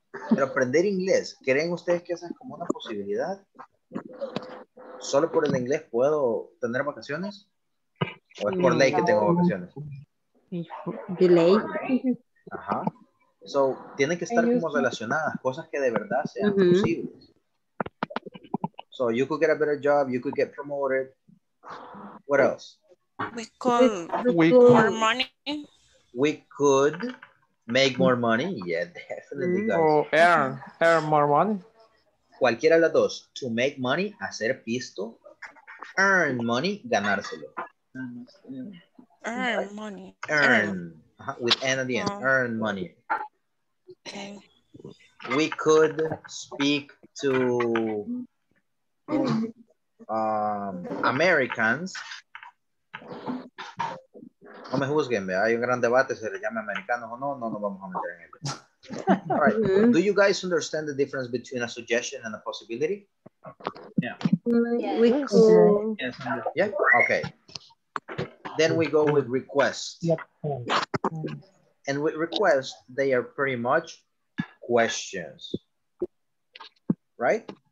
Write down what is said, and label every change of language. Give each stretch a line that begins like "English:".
Spanish: Pero aprender inglés, ¿creen ustedes que esa es como una posibilidad? ¿Solo por el inglés puedo tener vacaciones? ¿O es por ley que tengo vacaciones? ¿De ley? Ajá. So, tienen que estar como relacionadas, cosas que de verdad sean posibles.
English: So, you could get a better job, you could get promoted. What else? We could more money. We could make more money. Yeah, definitely, guys. Earn more money.
Spanish: Cualquiera de las dos,
English: to make money,
Spanish: hacer pisto,
English: earn money,
Spanish: ganárselo.
English: Earn money. Earn. With N at the end, earn money. Okay. We could speak to Americans.
Spanish: No me juzguen, ¿verdad? Hay un gran debate, se le llama americanos o no, no nos vamos a meter en eso.
English: All right. Do you guys understand the difference between a suggestion and a possibility? Yeah. We could. Yes. Yeah. Okay. Then we go with requests. And with requests, they are pretty much questions. Right?